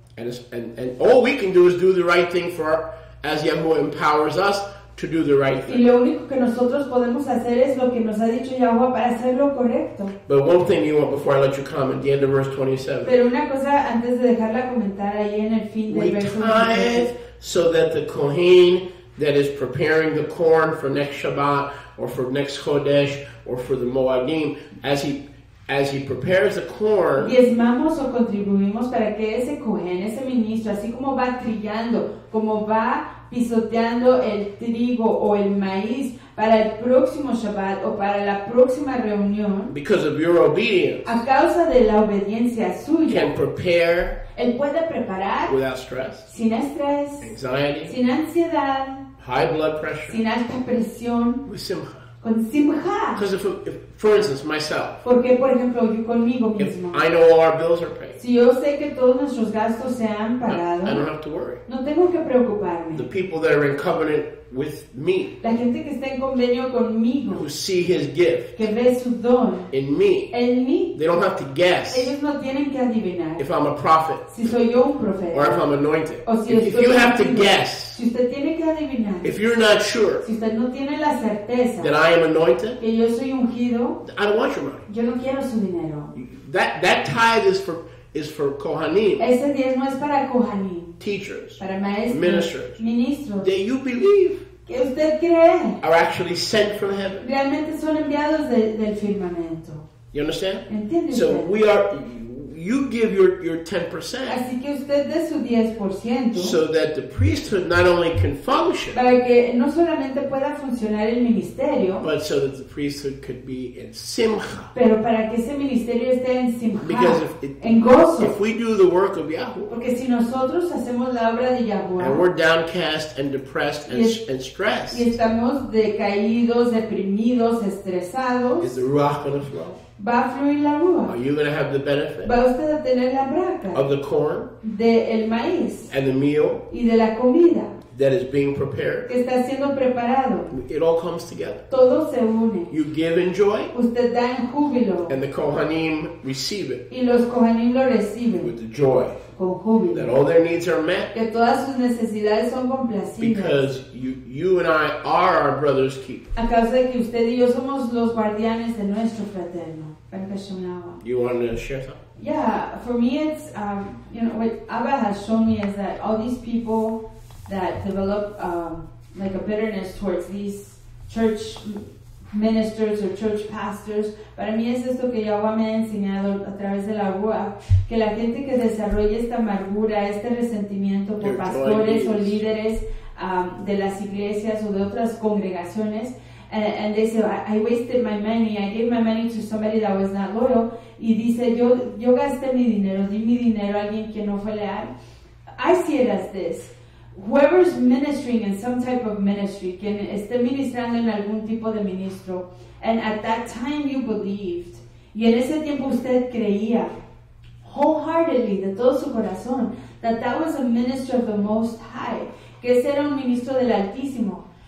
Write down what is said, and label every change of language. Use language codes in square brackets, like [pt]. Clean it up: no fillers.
[en] And all we can do is do the right thing for our, as Yahuwah empowers us to do the right thing. [es] Y lo único que nosotros podemos hacer es lo que nos ha dicho Yahuwah para hacer lo correcto. [en] But one thing you want before I let you comment, the end of verse 27. [es] Pero una cosa antes de dejarla comentar ahí en el fin del verso 27. [en] We tithe so that the Kohen that is preparing the corn for next Shabbat or for next Chodesh or for the Moadim, as he prepares the corn, [es] diezmamos o contribuimos para que ese Kohen, ese ministro, así como va trillando, como va pisoteando el trigo o el maíz para el próximo Shabbat o para la próxima reunión, [en] because of your obedience, [es] a causa de la obediencia suya, [en] can prepare, [es] él puede preparar, [en] without stress, [es] sin estrés, [en] anxiety, [es] sin ansiedad, [en] high blood pressure, [es] sin alta presión, [en] with simcha. [es] Con simcha. [en] Because if, for instance, myself, [es] porque, por ejemplo, yo conmigo mismo, [en] if I know all our bills are paid, [es] si yo sé que todos nuestros gastos se han pagado, [en] I don't have to worry. [es] No tengo que preocuparme. [en] The people that are in covenant with me, [es] la gente que está en convenio conmigo, [en] who see his gift, [es] que ve su don, [en] in me, [es] en mí, [en] they don't have to guess, [es] ellos no tienen que adivinar, [en] if I'm a prophet, [es] si soy yo un profeta, [en] or if I'm anointed, [es] o si [en] if you have to guess, [es] si usted tiene que adivinar, [en] if you're not sure, [es] si usted no tiene la certeza, [en] that I am anointed, [es] que yo soy ungido, [en] I don't want your money, [es] yo no quiero su dinero. [en] That tithe is for Kohanim. [es] Ese diezmo es para Kohanim. [en] Teachers. [es] Para maestros. [en] Ministers. [es] Ministros. [en] That you believe. [es] Que usted cree. [en] Are actually sent from heaven. [es] Realmente son enviados del firmamento. [en] You understand? [es] ¿Entiende? [en] So we are, you give your 10%. [es] Así que usted dé su 10%. [en] So that the priesthood not only can function. [es] Para que no solamente pueda funcionar el ministerio. [en] But so that the priesthood could be in simcha. [es] Pero para que ese ministerio esté en simcha. [en] Because if it, [es] en gozo. [en] If we do the work of Yahuwah. [es] Porque si nosotros hacemos la obra de Yahuwah. [en] And we're downcast and depressed and stressed. [es] Y estamos decaídos, deprimidos, estresados. [en] Is the ruach going to flow? [es] Va a fluir la rúa. [en] Are you going to have the benefit? [es] Va usted a tener la braca. [en] Of the corn. [es] De el maíz. [en] And the meal. [es] Y de la comida. [en] That is being prepared. [es] Que está siendo preparado. [en] It all comes together. [es] Todo se une. [en] You give in joy. [es] Usted da en júbilo. [en] And the Kohanim receive it. [es] Y los Kohanim lo reciben. [en] With the joy. [es] Con júbilo. [en] That all their needs are met. [es] Que todas sus necesidades son complacidas. [en] Because you and I are our brother's keeper. [es] A causa de que usted y yo somos los guardianes de nuestro fraterno. [en] You want to share something? Yeah, for me it's, you know, what Abba has shown me is that all these people that develop like a bitterness towards these church ministers or church pastors, [es] para mí es esto que Yahweh me ha enseñado a través de la rúa, que la gente que desarrolla esta amargura, este resentimiento por pastores o líderes de las iglesias o de otras congregaciones, [en] and they say, I wasted my money. I gave my money to somebody that was not loyal. [es] Y dice, yo gasté mi dinero, di mi dinero a alguien que no fue leal. [en] I see it as this. Whoever's ministering in some type of ministry, [es] quien esté ministrando en algún tipo de ministro, [en] and at that time you believed, [es] y en ese tiempo usted creía, [en] wholeheartedly, [es] de todo su corazón, [en] that was a minister of the Most High, [es] que ese era un ministro del Altísimo.